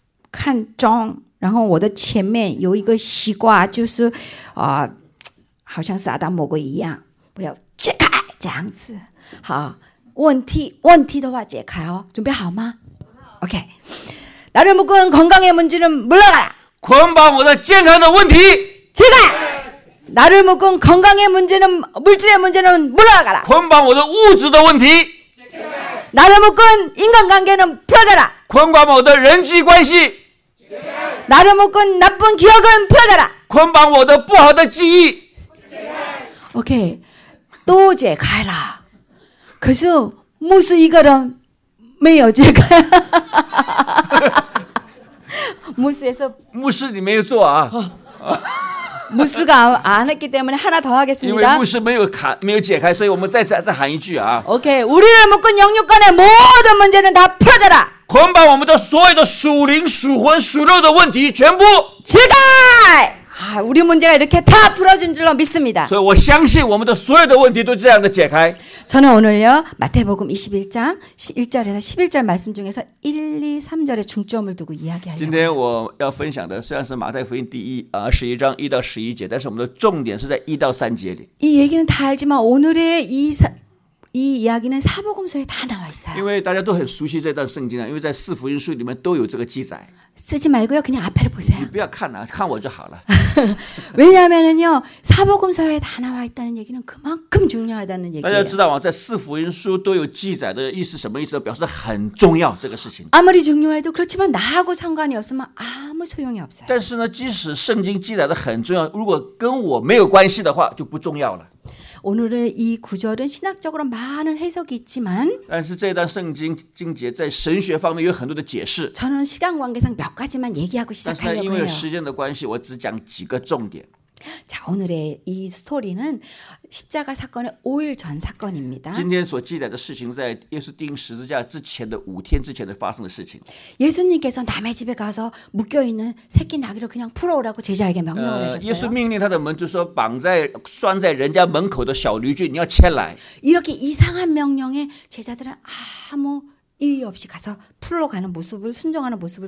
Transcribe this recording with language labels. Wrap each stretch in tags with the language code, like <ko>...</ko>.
<zh>看中，然后我的前面有一个西瓜，就是好像撒旦魔鬼一样，我要解开这样子。好，问题的话解开哦，准备好吗？准备好。OK，</zh> <ko>나를 묶은 건강의 문제는 물러가라.</ko> <zh>捆绑我的健康的问题，解开。나를</zh> <ko>묶은 건강의 문제는 물질의 문제는 물러가라.</ko> <zh>捆绑我的物质的问题，解开。나를</zh> <ko>묶은 인간관계는 풀어져라.</ko> <zh>捆绑我的人际关系，解开。나를</zh> <ko>묶은 나쁜 기억은 풀어져라.</ko> <zh>捆绑我的不好的记忆，解开。OK， 또 解开啦。可是牧师一个人没有解开，</zh> <ko>牧师에서</ko> <zh>牧师你没有做啊？</zh> <ko>牧师가안했기때문에하나더하겠습니다</ko> <zh>因为牧师没有砍，没有解开，所以我们再喊一句啊。</zh> <ko>OK， 우리를묶은영육간의모든문제는다풀어져라</ko> <zh>捆绑我们的所有的属灵、属魂、属肉的问题全部解开。</zh> <ko>아우리문제가이렇게다풀어진줄로믿습니다</ko> <zh>所以我相信我们的所有的问题都这样的解开。</zh> <ko>저는오늘요마태복음21장1절에서11절말씀중에서1 2 3절에중점을두고이야기하려</ko> <zh>今天我要分享的虽然是马太福音第一啊十一章一到十一节，但是我们的重点是在一到三节里。</zh> <ko>이얘기는다알지만오늘의이사이이야기는사복음서에다나와있어요</ko> <zh>因为大家都很熟悉这段圣经了，因为在四福音书里面都有这个记载。</zh> <ko>쓰지말고요그냥앞에를보세요</ko> <zh>你不要看了、啊，看我就好了。</zh> <ko>왜냐면은요사복음서에다나와있다는얘기는그만큼중요하다는얘기</ko> <zh>大家知道吗？在四福音书都有记载的意思，什么意思？表示很重要这个事情。</zh> <ko>아무리중요해도그렇지만나하고상관이없으면아무소용이없어요</ko> <zh>但是呢，即使圣经记载的很重要，如果跟我没有关系的话，就不重要了。</zh> <ko>오늘의이구절은신학적으로많은해석이있지만</ko> <zh>但是这段圣经经节在神学方面有很多的解释</zh> <ko>저는시간관계상몇가지만얘기하고시작하려고해요</ko> <zh>但是因为时间的关系我只讲几个重点</zh> <ko>자오늘의이스토리는십자가사건의5일전사건입니다</ko> <zh>今天所记载的事情在耶稣钉十字架之前的5天之前的发生的事情</zh> <ko>예수님께서남의집에가서묶여있는새끼나귀를그냥풀어오라고제자에게명령을하셨어요</ko> <zh>예수命令他的门徒说绑在拴在人家门口的小驴驹你要牵来</zh> <ko>이렇게이상한명령에제자들은아무이유없이가서풀러가는모습을순종하는모습을</ko>